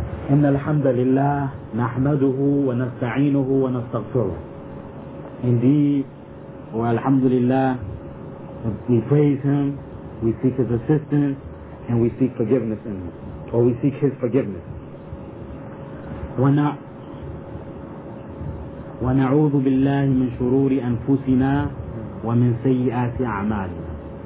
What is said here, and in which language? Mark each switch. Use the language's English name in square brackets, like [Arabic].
[Arabic] إن الحمد لله نحمده ونستعينه ونستغفره. [English] Indeed, or Alhamdulillah, we praise him, we seek his assistance, and we seek forgiveness in him, or we seek his forgiveness. [Arabic] ونعوذ بالله من شرور أنفسنا ومن سيئات أعمالنا.